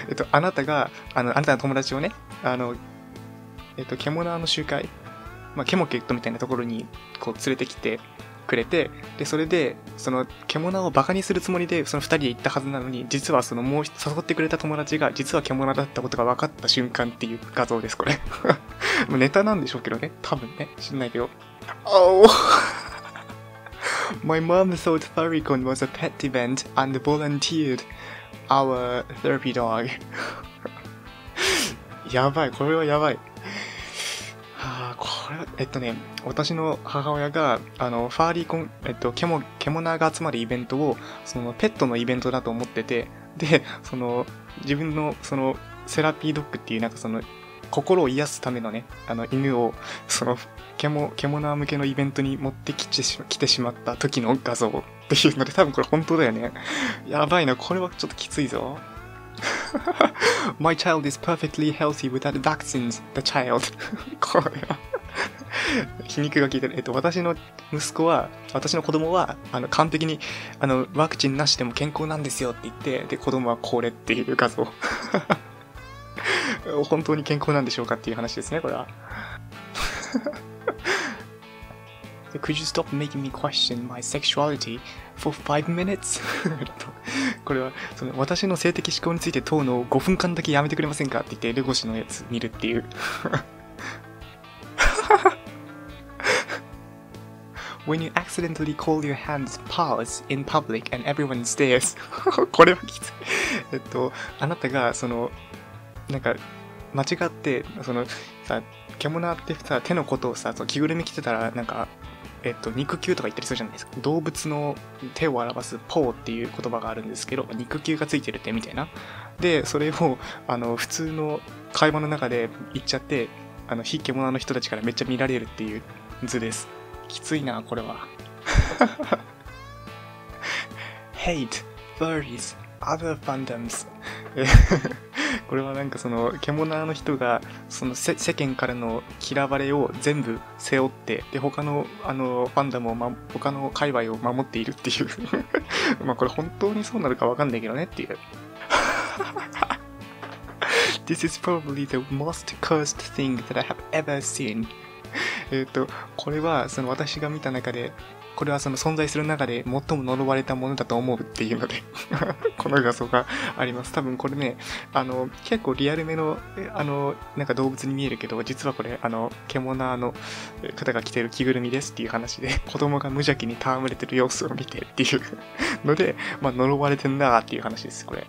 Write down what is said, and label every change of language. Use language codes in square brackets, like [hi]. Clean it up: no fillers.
[ja] あなたが友達をね、ケモナーの集会、まあ、ケモケットみたいなところにこう連れてきてくれて、でそれでそのケモナーをバカにするつもりでその2人で行ったはずなのに、実はそのもう誘ってくれた友達が実はケモナーだったことが分かった瞬間っていう画像ですこれネタなんでしょうけどね、多分ね、知んないけど。 [en] Oh My mom thought FurryCon was a pet event and volunteered our therapy dog. [ja] やばい、これはやばい。これ、私の母親が、ファーリーコン、獣が集まるイベントを、その、ペットのイベントだと思ってて、で、その、自分の、その、セラピードッグっていう、なんかその、心を癒すためのね、犬を、その、獣向けのイベントに持ってきてし、来てしまった時の画像っていうので、多分これ本当だよね。やばいな、これはちょっときついぞ。 [en] My child is perfectly healthy without vaccines, the child. [ja] これは。皮肉が効いてる。私の息子は、私の子供は、完璧に、ワクチンなしでも健康なんですよって言って、で、子供はこれっていう画像。本当に健康なんでしょうかっていう話ですね、これは。 [en] Could you stop making me question my sexuality for 5 minutes? [ja] これは、その、私の性的思考について問うのを5分間だけやめてくれませんかって言って、レゴシのやつ見るっていう。 [en] When you accidentally call your hands paws in public and everyone stares. [ja] これはきつい。あなたが、その、なんか、間違って、その、さ、獣ってさ、手のことをさ、その着ぐるみ着てたら、なんか、肉球とか言ったりするじゃないですか。動物の手を表すポーっていう言葉があるんですけど、肉球がついてる手みたいな。で、それを、普通の会話の中で言っちゃって、非獣の人たちからめっちゃ見られるっていう図です。きついな、これは。 [en] Hate, furries, other fandoms. [ja] これはなんかその、獣の人が、その世間からの嫌われを全部背負って、で、他の、ファンダムを、ま、他の界隈を守っているっていう。まあこれ本当にそうなるかわかんないけどねっていう。 [en] This is probably the most cursed thing that I have ever seen. [ja] これは、その私が見た中で、これはその存在する中で最も呪われたものだと思うっていうので、この画像があります。多分これね、結構リアルめの、なんか動物に見えるけど、実はこれ、獣の方が着てる着ぐるみですっていう話で、子供が無邪気に戯れてる様子を見てっていうので、まあ呪われてんだっていう話です、これ。